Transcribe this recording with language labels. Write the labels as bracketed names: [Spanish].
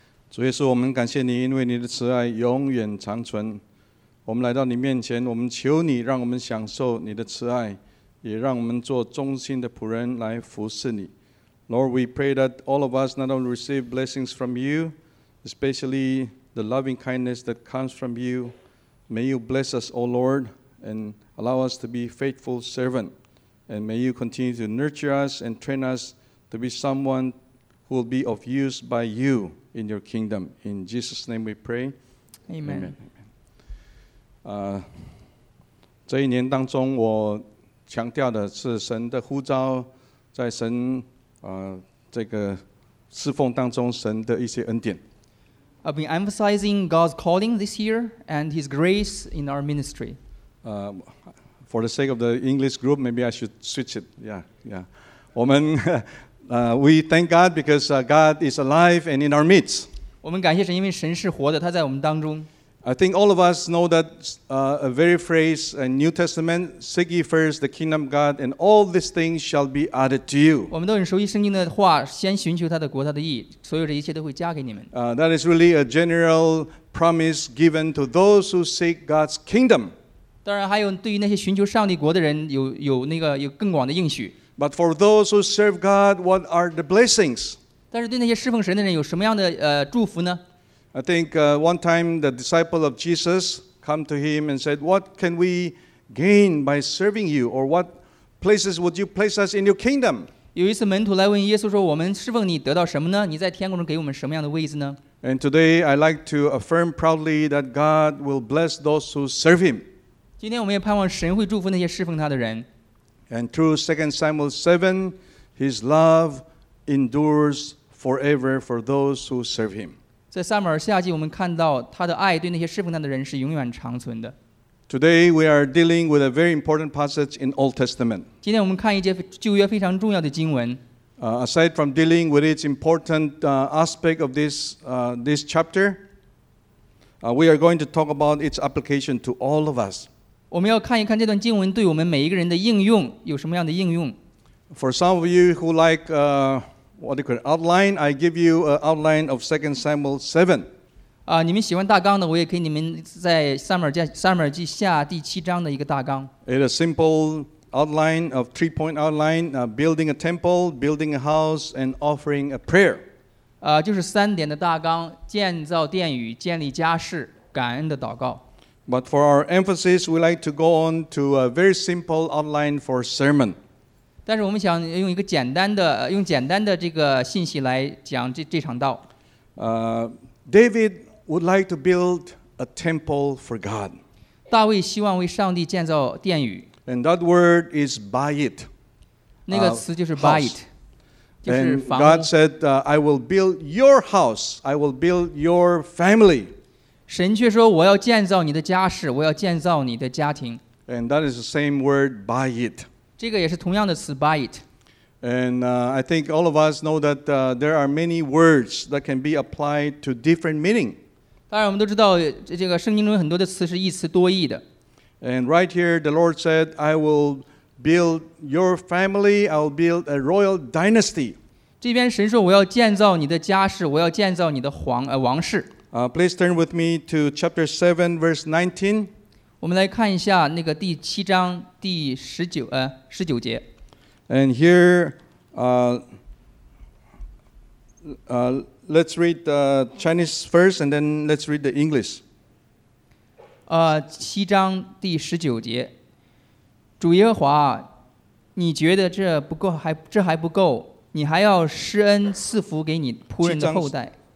[Chinese] 主耶稣，我们感谢你，因为你的慈爱永远长存。我们来到你面前，我们求你让我们享受你的慈爱，也让我们做忠心的仆人来服侍你。 [English] Lord, we pray that all of us not only receive blessings from you, especially the loving kindness that comes from you. May you bless us, O Lord, and allow us to be faithful servant. And may you continue to nurture us and train us to be someone will be of use by you in your kingdom. In Jesus' name we pray. Amen. Amen. [Chinese] 这一年当中我强调的是神的呼召，在神这个侍奉当中神的一些恩典。 [English] I've been emphasizing God's calling this year and his grace in our ministry. For the sake of the English group, maybe I should switch it. Yeah. [Chinese] 我们 [English] we thank God because God is alive and in our midst. [Chinese] 我们感谢神，因为神是活的，他在我们当中。 [English] I think all of us know that a very phrase in New Testament: "Seek ye first the kingdom of God, and all these things shall be added to you." [Chinese] 我们都很熟悉圣经的话，先寻求他的国、他的义，所有这一切都会加给你们。 [English] That is really a general promise given to those who seek God's kingdom. [Chinese] 当然，还有对于那些寻求上帝国的人，有那个有更广的应许。 [English] But for those who serve God, what are the blessings? [Chinese] 但是对那些侍奉神的人有什么样的祝福呢？ [English] I think one time the disciple of Jesus come to him and said, "What can we gain by serving you? Or what places would you place us in your kingdom?" [Chinese] 有一次门徒来问耶稣说：“我们侍奉你得到什么呢？你在天国中给我们什么样的位置呢？” [English] And today I like to affirm proudly that God will bless those who serve him. [Chinese] 今天我们也盼望神会祝福那些侍奉他的人。 [English] And through 2 Samuel 7, his love endures forever for those who serve him. [Chinese] 在撒母耳下记我们看到他的爱对那些侍奉他的人是永远长存的。 [English] Today we are dealing with a very important passage in Old Testament. [Chinese] 今天我们看一节旧约非常重要的经文。 [English] Aside from dealing with its important aspect of this chapter, we are going to talk about its application to all of us. [Chinese] 我们要看一看这段经文对我们每一个人的应用有什么样的应用。 [English] For some of you who like what you call outline, I give you an outline of 2 Samuel 7. [Chinese] 你们喜欢大纲的，我也给你们在撒母耳记下第七章的一个大纲。 [English] It's a simple. Outline of 3-point outline, building a temple, building a house, and offering a prayer. [Chinese] 就是三点的大纲，建造殿宇，建立家室，感恩的祷告。 [English] But for our emphasis, we like to go on to a very simple outline for sermon. [Chinese] 但是我们想用一个简单的，用简单的这个信息来讲这场道。 [English] David would like to build a temple for God. [Chinese] 大卫希望为上帝建造殿宇。 [English] And that word is bayit. [Chinese] 那个词就是 bayit, 就是房屋。 [English] And God said, I will build your house. I will build your family. [Chinese] 神却说我要建造你的家室，我要建造你的家庭。 [English] And that is the same word, bayit. [Chinese] 这个也是同样的词 bayit. [English] And I think all of us know that there are many words that can be applied to different meaning. [Chinese] 当然我们都知道这个圣经中很多的词是一词多义的。 [English] And right here, the Lord said, I will build your family, I will build a royal dynasty. [Chinese] 这边神说我要建造你的家室，我要建造你的王室。 [English] Please turn with me to chapter 7, verse 19. [Chinese] 我们来看一下那个第七章第十九十九节。 [English] And here, let's read the Chinese first, and then let's read the English. [Chinese] 七章第十九节，主耶和华，你觉得这不够，这还不够，你还要施恩赐福给你仆人的后代。